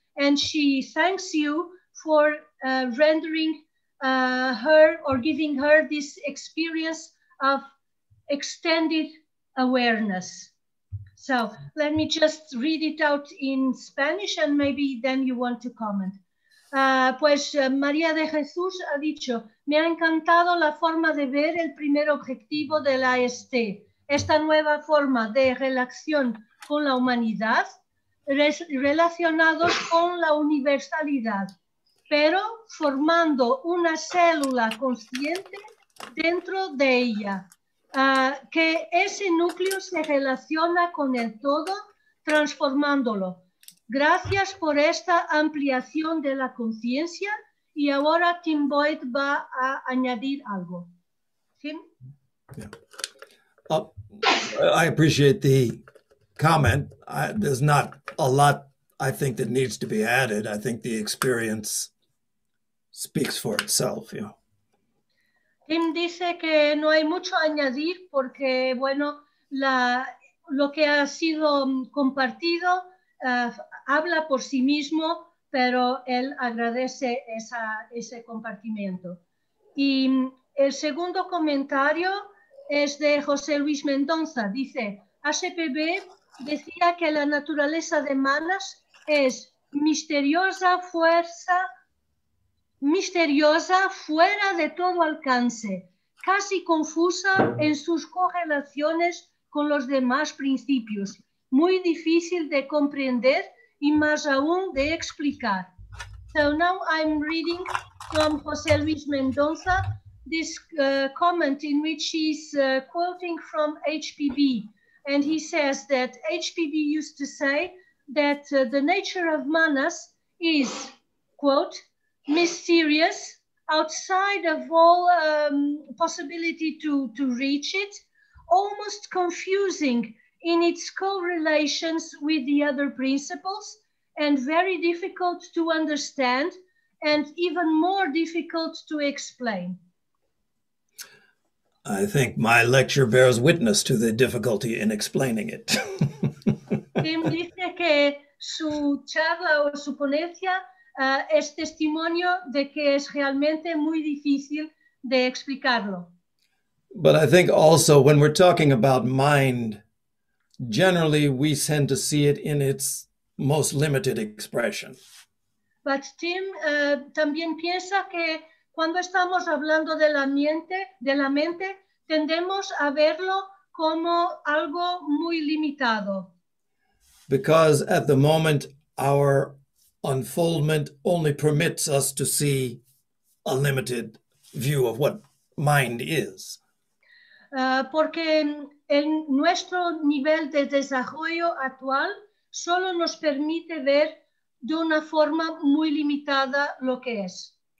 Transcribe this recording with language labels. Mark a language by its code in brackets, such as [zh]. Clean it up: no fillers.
[en] And she thanks you for rendering her or giving her this experience of extended awareness. So let me just read it out in Spanish and maybe then you want to comment. [es] Pues María de Jesús ha dicho, me ha encantado la forma de ver el primer objetivo de la AST, esta nueva forma de relación con la humanidad relacionados con la universalidad, pero formando una célula consciente dentro de ella, que ese núcleo se relaciona con el todo, transformándolo. Gracias por esta ampliación de la conciencia. Y ahora Tim Boyd va a añadir algo. Tim? [en] Yeah. I appreciate the comment. There's not a lot, I think, that needs to be added. I think the experience speaks for itself. You know. [es] Tim dice que no hay mucho a añadir porque, bueno, lo que ha sido compartido... habla por sí mismo, pero él agradece ese compartimiento. Y el segundo comentario es de José Luis Mendoza. Dice, HPB decía que la naturaleza de Manas es misteriosa fuera de todo alcance, casi confusa en sus correlaciones con los demás principios, muy difícil de comprender y más aún de explicar. [en] So now I'm reading from José Luis Mendoza this comment in which he's quoting from HPB. And he says that HPB used to say that the nature of Manas is, quote, mysterious, outside of all possibility to reach it, almost confusing in its correlations with the other principles, and very difficult to understand, and even more difficult to explain. I think my lecture bears witness to the difficulty in explaining it. [es] Tim dice que su charla o su ponencia es testimonio de que es realmente muy difícil de explicarlo. [en] But I think also when we're talking about mind, generally, we tend to see it in its most limited expression. [es] But Tim también piensa que cuando estamos hablando de la mente, tendemos a verlo como algo muy limitado. [en] Because at the moment, our unfoldment only permits us to see a limited view of what mind is. [es] porque en nuestro nivel de desarrollo actual solo nos permite ver de una forma muy limitada lo que es.